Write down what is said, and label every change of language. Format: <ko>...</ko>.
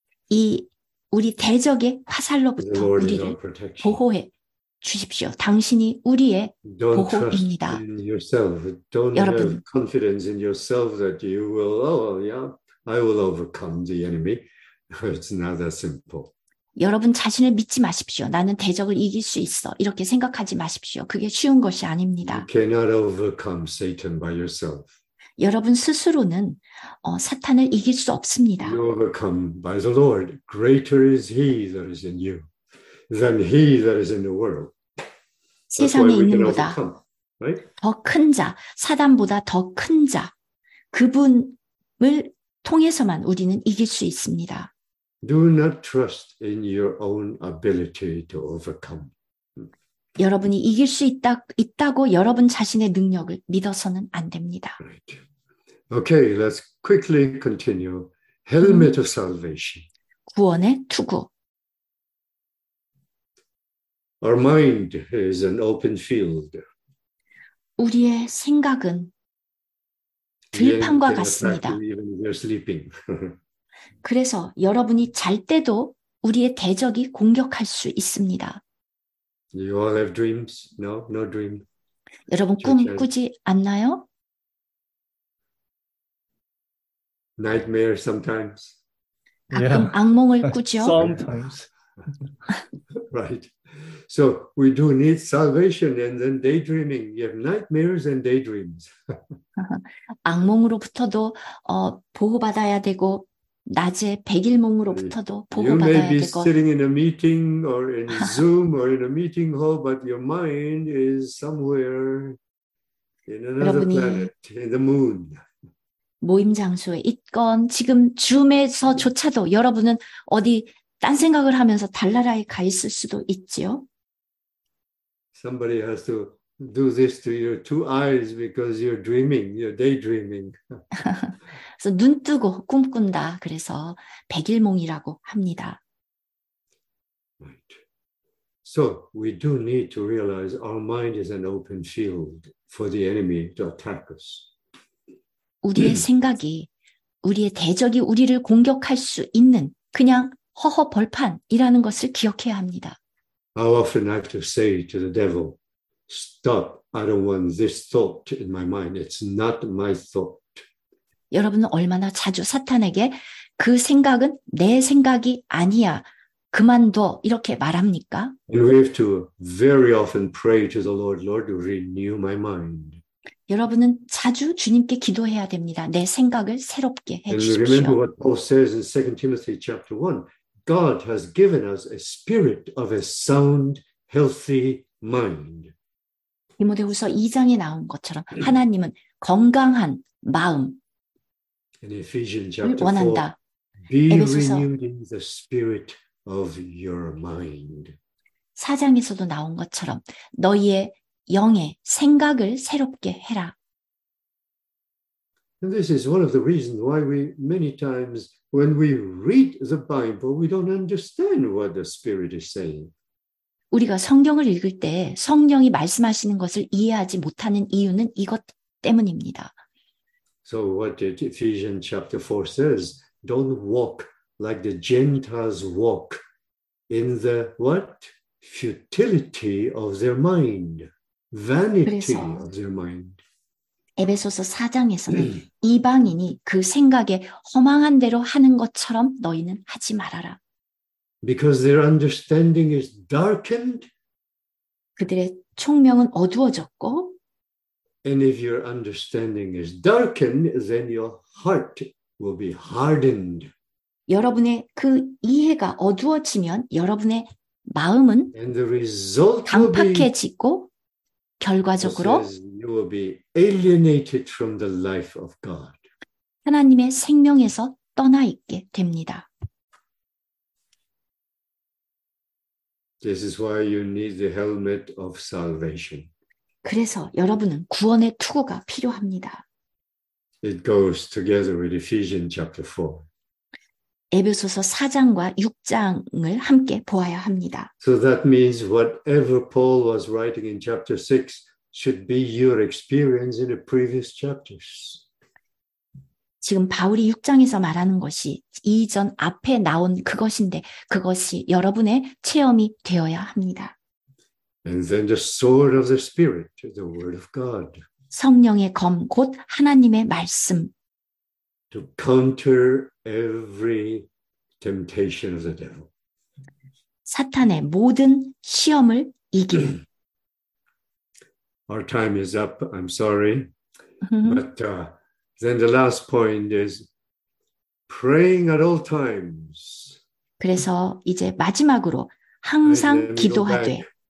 <ko>이 우리 대적의 화살로부터 우리를 보호해 주십시오. 당신이 우리의 보호입니다. 여러분,</ko> <en>confidence in yourself that you will oh yeah I will overcome the enemy. It's not that simple.</en> <ko>여러분 자신을 믿지 마십시오. 나는 대적을 이길 수 있어. 이렇게 생각하지 마십시오. 그게 쉬운 것이 아닙니다.</ko> <en>You cannot overcome Satan by yourself.</en> <ko>여러분 스스로는 사탄을 이길 수 없습니다.</ko> <en>You overcome by the Lord. Greater is he that is in you than he that is in the world.</en> <ko>세상에 있는 보다 더 큰 자, 사단보다 더 큰 자, 그분을 통해서만 우리는 이길 수 있습니다.</ko> <en>Do not trust in your own ability to overcome.</en> <ko>여러분이 이길 수 있다고 여러분 자신의 능력을 믿어서는 안 됩니다.</ko> <en>Okay, let's quickly continue. Helmet of salvation.</en> <ko>구원의 투구.</ko> <en>Our mind is an open field.</en> <ko>우리의 생각은 들판과 같습니다.</ko> <en>Even if you're sleeping.</en> <ko>그래서 여러분이 잘 때도 우리의 대적이 공격할 수 있습니다.</ko> <en>You all have dreams? No, no dream.</en> <ko>여러분 꿈 꾸지 않나요?</ko> <en>Nightmare sometimes.</en> <ko>가끔 yeah. 악몽을 꾸죠.</ko> <en>Sometimes. Right. So we do need salvation and then daydreaming. You have nightmares and daydreams.</en> <ko>악몽으로부터도 보호받아야 되고 낮에 백일몽으로부터도 보호받아야 될 것.</ko> <en>You may be sitting in a meeting or in Zoom or in a meeting hall, but your mind is somewhere in another planet, in the moon.</en> <ko>모임 장소에 있건 지금 줌에서조차도 여러분은 어디 딴 생각을 하면서 달나라에 가 있을 수도 있지요.</ko> <en>Somebody has to do this to your two eyes because you're dreaming, you're daydreaming.</en> <ko>그래서 눈 뜨고 꿈꾼다. 그래서 백일몽이라고 합니다.</ko> <en>Right. So we do need to realize our mind is an open field for the enemy to attack us.</en> <ko>우리의 생각이 우리의 대적이 우리를 공격할 수 있는 그냥 허허 벌판이라는 것을 기억해야 합니다.</ko> <en>How often I have to say to the devil, "Stop! I don't want this thought in my mind. It's not my thought."</en> <ko>여러분은 얼마나 자주 사탄에게 그 생각은 내 생각이 아니야. 그만둬. 이렇게 말합니까?</ko> <en>And we have to very often pray to the Lord, Lord, renew my mind.</en> <ko>여러분은 자주 주님께 기도해야 됩니다. 내 생각을 새롭게 해 주십시오.</ko> <en>And remember what Paul says in 2 Timothy chapter 1. God has given us a spirit of a sound, healthy mind.</en> <ko>디모데후서 2장에 나온 것처럼 하나님은 건강한 마음</ko> <en>In Ephesians chapter</en> <ko>원한다.</ko> <en>4, be renewed in the spirit of your mind.</en> <ko>4장에서도 나온 것처럼 너희의 영의 생각을 새롭게 해라.</ko> <en>And this is one of the reasons why we many times when we read the Bible, we don't understand what the Spirit is saying.</en> <ko>우리가 성경을 읽을 때 성령이 말씀하시는 것을 이해하지 못하는 이유는 이것 때문입니다.</ko> <en>So what did Ephesians chapter 4 says, don't walk like the Gentiles walk in the what? Futility of their mind. Vanity of their mind.</en> <ko>에베소서 4장에서는 이방인이 그 생각에 허망한 대로 하는 것처럼 너희는 하지 말아라.</ko> <en>Because their understanding is darkened.</en> <ko>그들의 총명은 어두워졌고</ko> <en>And if your understanding is darkened, then your heart will be hardened.</en> <ko>여러분의 그 이해가 어두워지면 여러분의 마음은 강팍해지고 결과적으로</ko> <en>you will be alienated from the life of God.</en> <ko>하나님의 생명에서 떠나 있게 됩니다.</ko> <en>This is why you need the helmet of salvation.</en> <ko>그래서 여러분은 구원의 투구가 필요합니다.</ko> <en>It goes together with Ephesians chapter 4.</en> <ko>에베소서 4장과 6장을 함께 보아야 합니다.</ko> <en>So that means whatever Paul was writing in chapter 6 should be your experience in the previous chapters.</en> <ko>지금 바울이 6장에서 말하는 것이 이전 앞에 나온 그것인데 그것이 여러분의 체험이 되어야 합니다.</ko> <en>And then the sword of the Spirit, the word of God.</en> <ko>성령의 검, 곧 하나님의 말씀.</ko> <en>To counter every temptation of the devil.</en> <ko>사탄의 모든 시험을 이기는.</ko> <en>Our time is up. I'm sorry. But then the last point is praying at all times.</en> <ko>그래서 이제 마지막으로 항상 기도하되.</ko>